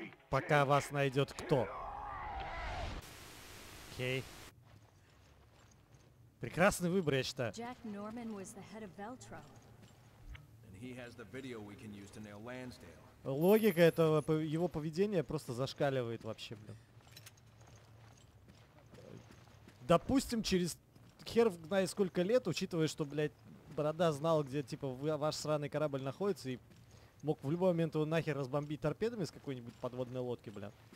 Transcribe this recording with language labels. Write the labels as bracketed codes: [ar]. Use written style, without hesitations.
[ru] Пока вас найдет кто. Окей. Прекрасный выбор, я считаю. [en] Jack Norman was the head of Veltro. And he has the video we can use to nail Lansdale. [ru] Логика этого его поведения просто зашкаливает вообще, блин. Допустим, через хер знает сколько лет, учитывая, что, блядь, борода знал, где, типа, ваш сраный корабль находится, и мог в любой момент его нахер разбомбить торпедами с какой-нибудь подводной лодки, блин.